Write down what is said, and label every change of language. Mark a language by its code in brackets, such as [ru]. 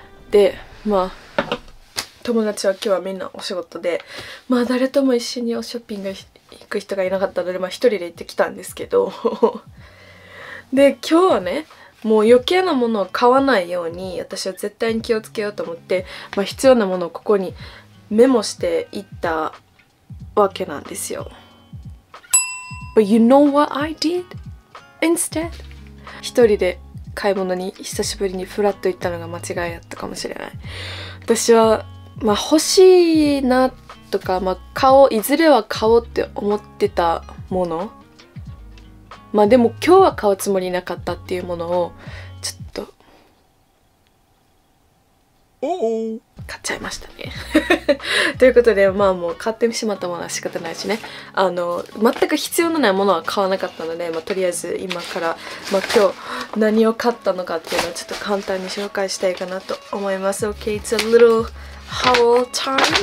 [ja] で、まあ友達は今日はみんなお仕事で、まあ誰とも一緒にショッピング行く人がいなかったので、まあ一人で行ってきたんですけどで、今日はねもう余計なものを買わないように私は絶対に気をつけようと思って、まあ、必要なものをここにメモしていったわけなんですよ。 [en] But you know what I did instead? [ja] 一人で買い物に久しぶりにフラッと行ったのが間違いだったかもしれない。私は、まあ、欲しいなとか、まあ、いずれは買おうって思ってたもの、まあでも今日は買うつもりなかったっていうものをちょっと買っちゃいましたね。ということで、まあもう買ってしまったものは仕方ないしね、あの全く必要のないものは買わなかったので、まあ、とりあえず今から、まあ、今日何を買ったのかっていうのをちょっと簡単に紹介したいかなと思います。 [en] OK, it's a little haul time.